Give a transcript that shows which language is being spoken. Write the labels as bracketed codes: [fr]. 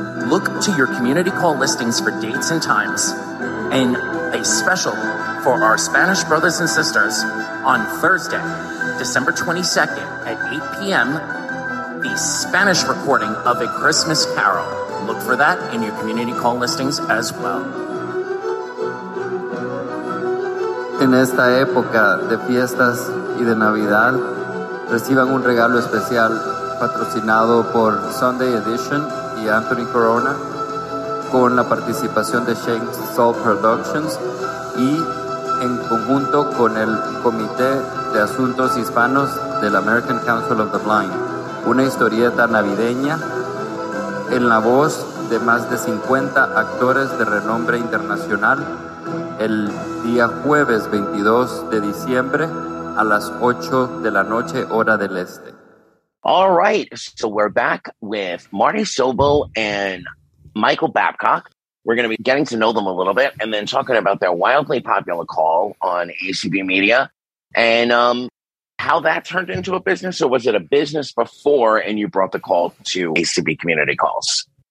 [en] Look to your community call listings for dates and times, and a special for our Spanish brothers and sisters on Thursday, December 22nd at 8 p.m., the Spanish recording of A Christmas Carol. Look for that in your community call listings as well. [es] En esta época de fiestas y de Navidad, reciban un regalo especial patrocinado por Sunday Edition y Anthony Corona, con la participación de Shane Salk Productions y en conjunto con el Comité de Asuntos Hispanos del American Council of the Blind. Una historieta navideña en la voz de más de 50 actores de renombre internacional el día jueves 22 de diciembre a las 8 de la noche, hora del este. [en] All right, so we're back with Marty Sobel and Michael Babcock. We're going to be getting to know them a little bit and then talking about their wildly popular call on ACB Media and how that turned into a business. Or was it a business before and you brought the call to ACB Community Calls?